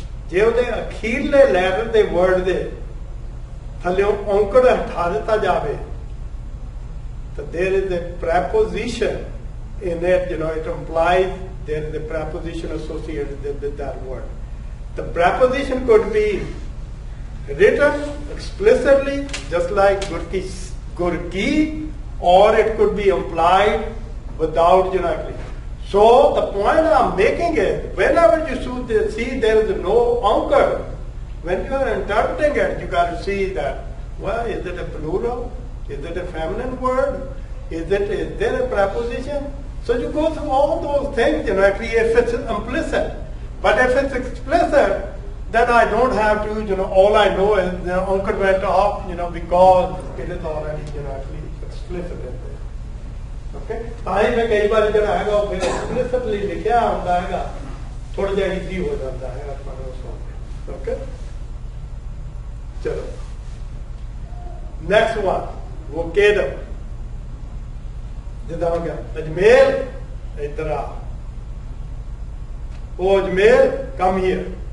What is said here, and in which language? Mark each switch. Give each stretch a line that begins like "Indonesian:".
Punjabi: ਜੇ ਉਹਦੇ ਅਖੀਰਲੇ ਲੈਟਰ ਦੇ ਵਰਡ ਦੇ ਥੱਲਿਓ ਔਂਕੜ ਹਟਾ ਦਿੱਤਾ ਜਾਵੇ ਤਾਂ
English: There is a preposition in it you know it implies there is a preposition associated with that word the preposition could be written explicitly just like ਗੁਰਕੀ or it could be implied without janakri. So the point I'm making is, whenever you see there is no ankar, when you are interpreting it, you got to see that, well, is it a plural? Is it a feminine word? Is there a preposition? So you go through all those things, you know, actually if it's implicit. But if it's explicit, then I don't have to, you know, all I know is the ankar went off, you know, because it is already, you know, actually explicit.
Punjabi: ਤਾਂ ਮੈਂ ਕਈ ਵਾਰ ਜਿਹੜਾ ਹੈਗਾ ਉਹ ਫਿਰ ਐਕਸਪਲੀਸਿਟਲੀ ਲਿਖਿਆ ਹੁੰਦਾ ਹੈਗਾ ਥੋੜ੍ਹਾ ਜਿਹਾ ਈਜ਼ੀ ਹੋ ਜਾਂਦਾ ਹੈ ਆਪਾਂ ਨੂੰ ਉਸ ਵਕਤ ਓਕੇ ਚਲੋ ਨੈਕਸਟ ਵਨ ਉਹ ਕੇਦਮ ਜਿੱਦਾਂ ਹੋ ਗਿਆ ਅਜਮੇਲ ਇੱਧਰ ਆ ਉਹ ਅਜਮੇਲ
English: come here